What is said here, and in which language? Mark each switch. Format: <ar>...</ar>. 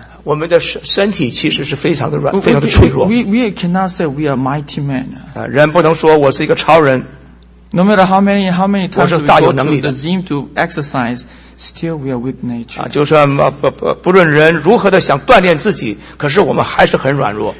<zh>我们的身体其实是非常的软，非常的脆弱。</zh> <en>We cannot say we are mighty man.</en> <zh>人不能说我是一个超人。</zh> <en>No matter how many times we go to the gym to exercise. Still, we are weak nature.</en> <zh>就算不论人如何的想锻炼自己，可是我们还是很软弱。</zh>